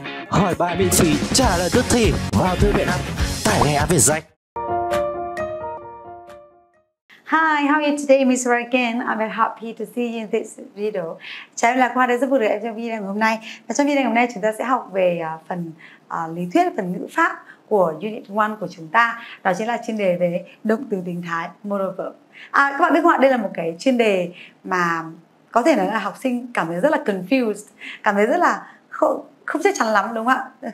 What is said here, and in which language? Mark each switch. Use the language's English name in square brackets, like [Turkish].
[Vietnamese] Hỏi bài miễn phí, trả lời tức thì vào thư viện app, tải ngay áp về danh. [English] Hi, how are you today, Miss Raken? I'm very happy to see you in this video. [Vietnamese] Chào em là Khoa, rất vui được em trong video ngày hôm nay. Và trong video ngày hôm nay chúng ta sẽ học về phần lý thuyết, phần ngữ pháp của Unit 1 của chúng ta. Đó chính là chuyên đề về động từ tính thái, modal verb. Các bạn biết không ạ, đây là một cái chuyên đề mà có thể nói là học sinh cảm thấy rất là confused, cảm thấy rất là không chắc chắn lắm, đúng không ạ?